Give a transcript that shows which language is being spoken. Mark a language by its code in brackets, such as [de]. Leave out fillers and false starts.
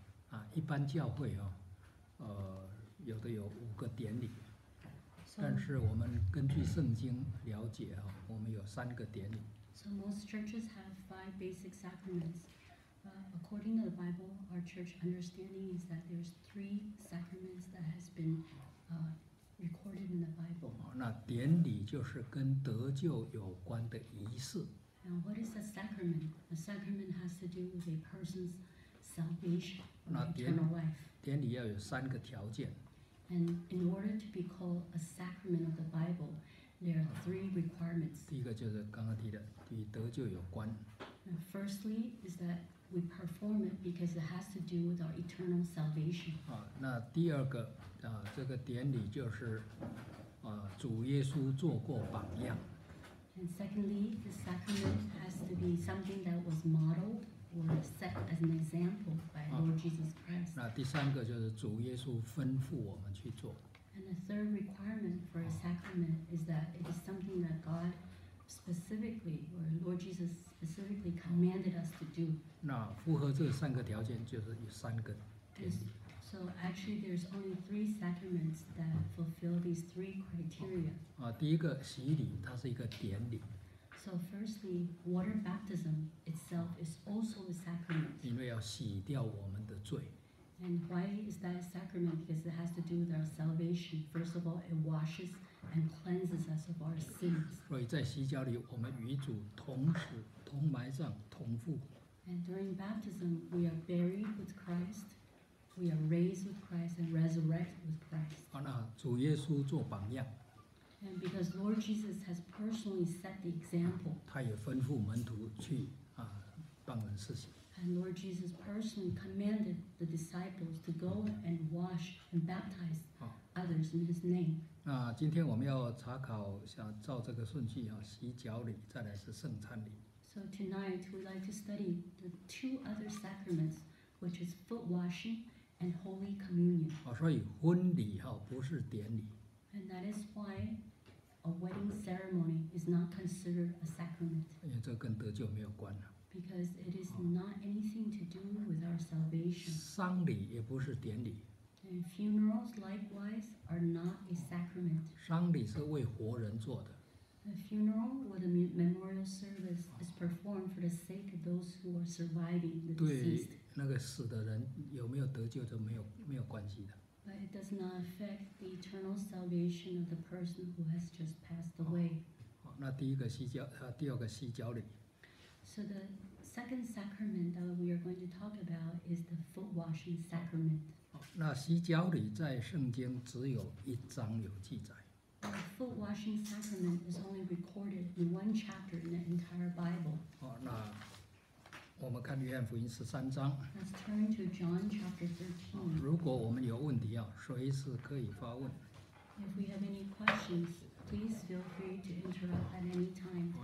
[zh] 啊，一般教会啊，有的有五个典礼，但是我们根据圣经了解啊，我们有三个典礼。 [en] So most churches have five basic sacraments. According to the Bible, our church understanding is that there's three sacraments that has been recorded in the Bible. [zh] 那典礼就是跟得救有关的仪式。 [en] Now, what is a sacrament? A sacrament has to do with a person's salvation or eternal life. [zh] 典礼要有三个条件。 [en] And in order to be called a sacrament of the Bible, there are three requirements. [zh] 第一个就是刚刚提的，与得救有关。 [en] And firstly, is that we perform it because it has to do with our eternal salvation. [zh] 那第二个，这个典礼就是，主耶稣做过榜样。 [en] And secondly, the sacrament has to be something that was modeled or set as an example by Lord Jesus Christ. [zh] 那第三个就是主耶稣吩咐我们去做。 [en] And the third requirement for a sacrament is that it is something that God specifically or Lord Jesus specifically commanded us to do. [zh] 那符合这三个条件就是有三个典礼。 [en] So actually, there's only three sacraments that fulfill these three criteria. [zh] 第一个洗礼，它是一个典礼。 [en] So firstly, water baptism itself is also a sacrament. [zh] 因为要洗掉我们的罪。 [en] And why is that a sacrament? Because it has to do with our salvation. First of all, it washes and cleanses us of our sins. [zh] 所以在洗脚里，我们与主同死、同埋葬、同父。 [en] And during baptism, we are buried with Christ. We are raised with Christ and resurrected with Christ. [zh] 那主耶稣做榜样。 [en] And because Lord Jesus has personally set the example. [zh] 他也吩咐门徒去帮人施洗。 [en] And Lord Jesus personally commanded the disciples to go and wash and baptize others in His name. [zh] 那今天我们要查考，想照这个顺序啊，洗脚礼，再来是圣餐礼。 [en] So tonight we'd like to study the two other sacraments, which is foot washing. And Holy Communion. [zh] 所以婚礼不是典礼。 [en] And that is why a wedding ceremony is not considered a sacrament. [zh] 因为这跟得救没有关了。 [en] Because it is not anything to do with our salvation. [zh] 丧礼也不是典礼。 [en] And funerals likewise are not a sacrament. [zh] 丧礼是为活人做的。 [en] A funeral or the memorial service is performed for the sake of those who are surviving the deceased. [zh] 那个死的人有没有得救就没有关系的。 [en] But it does not affect the eternal salvation of the person who has just passed away. [zh] 那第一个洗脚，第二个洗脚礼。 [en] So the second sacrament that we are going to talk about is the foot washing sacrament. [zh] 那洗脚礼在圣经只有一章有记载。 [en] The foot washing sacrament is only recorded in one chapter in the entire Bible. [zh] 那我们看约翰福音十三章。 [en] Let's turn to John chapter 13. [zh] 如果我们有问题，随时可以发问。 [en] If we have any questions, please feel free to interrupt at any time.